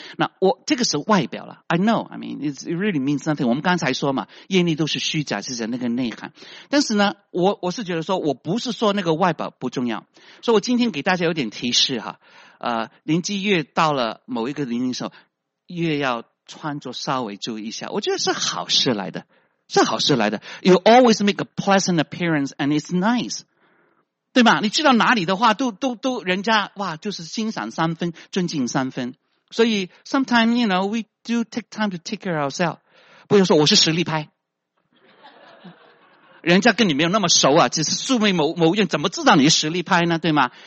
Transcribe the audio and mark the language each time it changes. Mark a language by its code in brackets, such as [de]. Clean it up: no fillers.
[zh] 那我这个是外表了 ， [en] I know, I mean, it really means nothing。 [zh] 我们刚才说嘛，业力都是虚假，是人那个内涵。但是呢，我是觉得说，我不是说那个外表不重要，所以我今天给大家有点提示哈。年纪越到了某一个年龄的时候，越要穿着稍微注意一下，我觉得是好事来的，是好事来的。 [en] You always make a pleasant appearance and it's nice， [zh] 对吗？你去到哪里的话，都人家哇，就是欣赏三分，尊敬三分。所以 [en] sometimes you know we do take time to take care of ourselves， [zh] 不要说我是实力派，人家跟你没有那么熟啊，只是素昧谋面，怎么知道你实力派呢？对吗？